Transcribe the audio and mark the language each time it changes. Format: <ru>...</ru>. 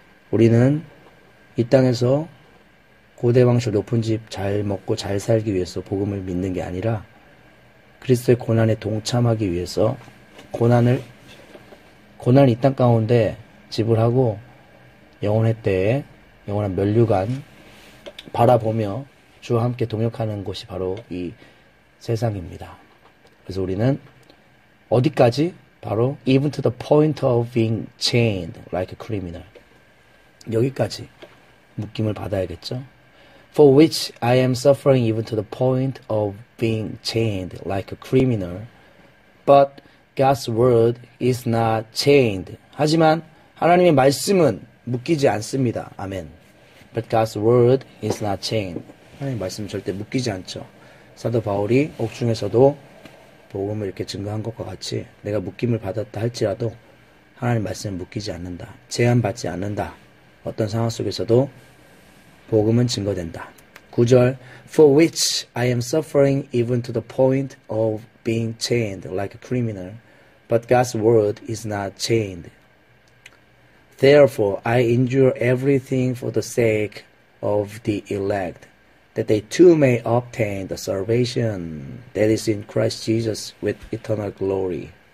<ko>우리는 이 땅에서 고대왕조 높은 집잘 먹고 잘 살기 위해서 복음을 믿는 게 아니라 그리스도의 고난에 동참하기 위해서 고난을 이땅 가운데 지불하고 영원의 때에 영원한 면류관 바라보며 주와 함께 동역하는 것이 바로 이 세상입니다. 그래서 우리는 어디까지? 바로</ko> <en>even to the point of being chained like a criminal.</en> <ko>여기까지 묶임을 받아야겠죠?</ko> <en>For which I am suffering even to the point of being chained like a criminal. But God's word is not chained.</en> <ko>하지만 하나님의 말씀은 묶이지 않습니다. 아멘.</ko> <en>But God's word is not chained.</en> <ko>하나님 말씀 절대 묶이지 않죠. 사도 바울이 옥중에서도 복음을 이렇게 증거한 것과 같이 내가 묶임을 받았다 할지라도 하나님 말씀은 묶이지 않는다. 제한받지 않는다. 어떤 상황 속에서도 복음은 증거된다. 9절,</ko> <en>For which I am suffering even to the point of being chained like a criminal. But God's word is not chained. Therefore, I endure everything for the sake of the elect, that they too may obtain the salvation that is in Christ Jesus with eternal glory.</en>